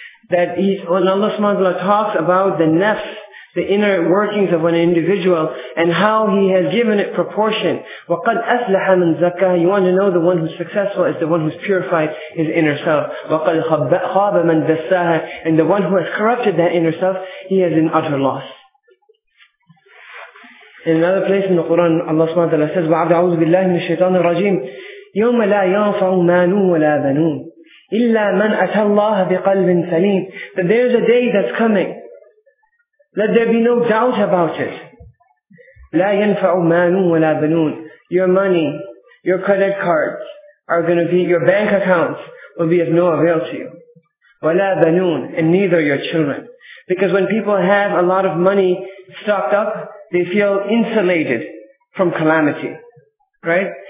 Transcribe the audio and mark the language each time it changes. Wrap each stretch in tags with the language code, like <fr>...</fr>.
<en>That is, when Allah subhanahu wa ta'ala talks about the nafs, the inner workings of an individual, and how he has given it proportion.</en> <ar>وَقَدْ أَفْلَحَ مَنْ زَكَّاهَا.</ar> <en>You want to know the one who's successful is the one who's purified his inner self.</en> <ar>وَقَدْ خَابَ مَنْ دَسَّاهَا.</ar> <en>And the one who has corrupted that inner self, he is in utter loss. In another place in the Quran, Allah subhanahu wa ta'ala says,</en> <ar>وَعَدْ أَعُوذُ بِاللَّهِ مِنَ الشَّيْطَانِ الرَّجِيمِ يَوْمَ لَا يَنْفَعُ مَالٌ وَلَا بَنُونَ إِلَّا مَنْ أَتَى اللَّهَ بِقَلْبٍ سَلِيمٍ.</ar> <en>That there is a day that's coming. Let there be no doubt about it.</en> <ar>لَا يَنْفَعُ مَالٌ وَلَا بَنُونَ.</ar> <en>Your money, your credit cards are going to be, your bank accounts will be of no avail to you.</en> <ar>وَلَا بَنُونَ.</ar> <en>And neither your children. Because when people have a lot of money stocked up, they feel insulated from calamity, right?</en>